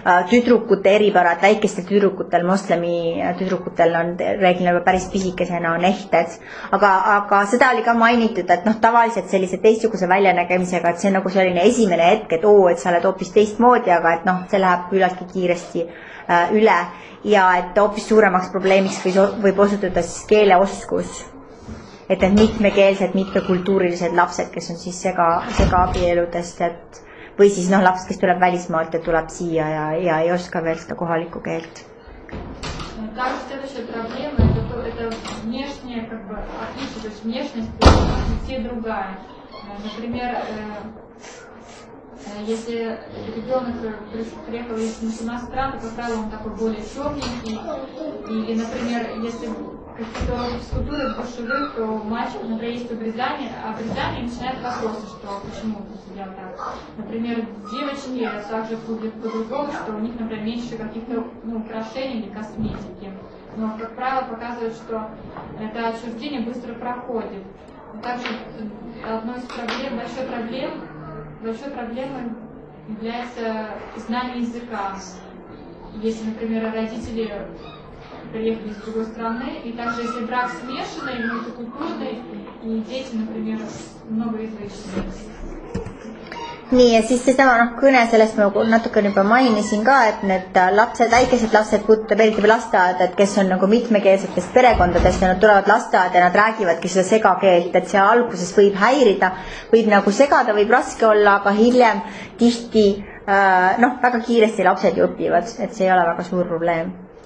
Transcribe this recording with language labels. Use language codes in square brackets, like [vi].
[et] tüdrukute eripärad, väikestel tüdrukutel, moslemi tüdrukutel on reeglina päris pisikesena on ehted, aga seda oli ka mainitud, et tavaliselt sellise teistsuguse väljanägemisega, et see on nagu selline esimene hetk, et oo, et sa oled hoopis teistmoodi, aga et see läheb küllaltki kiiresti üle ja et hoopis suuremaks probleemiks võib osutada siis keeleoskus, et need mitmekeelsed, mitmekultuurilised lapsed, kes on siis sega abieludest, et või siis laps, kes tuleb välismaalt ja tuleb siia ja ei oska veel seda kohaliku keelt. [ru] Также следующая проблема это внешнее как бы отличие, то есть внешность все другая. Например, если ребенок приехал из мусульманских стран, то, как правило, он такой более черненький. Или, например, если какие-то скульптуры большевых, то мальчик, например, есть обрезание, а обрезание начинает вопросы, что почему это сделал так. Например, девочки также будет по-другому, что у них, например, меньше каких-то украшений или косметики. Но, как правило, показывают, что это отчуждение быстро проходит. Также одной из проблем, большой проблемой является знание языка. Если, например, родители приехали с другой страны, и также если брак смешанный, мультикультурный, и дети, например, многоязычные. [et] Nii, ja siis see kõne sellest ma natuke juba mainisin ka, et need lapsed, väikesed lapsed puutub eriti või lasteaed, et kes on nagu mitmekeelsetest perekondadest ja nad tulevad lasteaed ja nad räägivadki seda segakeelt, et see alguses võib häirida, võib nagu segada, võib raske olla, aga hiljem tihti väga kiiresti lapsed ju õpivad, et see ei ole väga suur probleem.